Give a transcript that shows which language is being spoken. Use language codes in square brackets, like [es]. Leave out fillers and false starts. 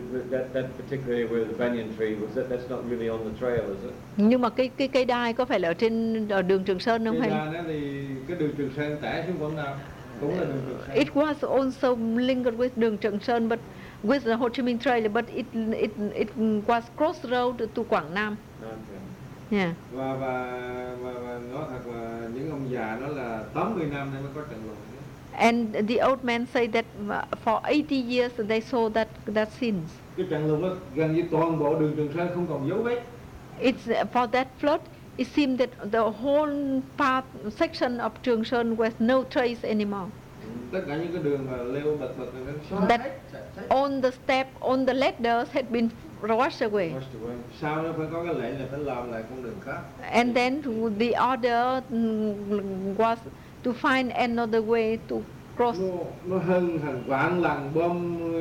[en] That particular area where the banyan tree was, that's not really on the trail, is it? [vi] Nhưng mà cái cây đai có phải là trên ở đường Trường Sơn không hay? Cái đường Trường Sơn tả xuống Quảng Nam. [en] It was also linked with đường Trường Sơn, but with the Ho Chi Minh Trail, but it was crossroad to Quảng Nam. Okay. Yeah. [vi] Và nói thật là những ông già đó là 80 năm nay mới có trận lụt. [en] And the old man say that for 80 years they saw that scenes. [vi] Cái trận lụt đó gần như toàn bộ đường Trường Sơn không còn dấu vết. [en] It's for that flood. It seemed that the whole part section of Trường Sơn was no trace anymore. [vi] Tất cả những cái đường mà leo bật bật nó xóa hết. [en] On the step, on the ladders had been washed away. [vi] Sau đó phải có cái lệnh là phải làm lại con đường khác. [en] And then the order was to find another way to cross. [vi] Nó hưng thằng quảng lằng bom.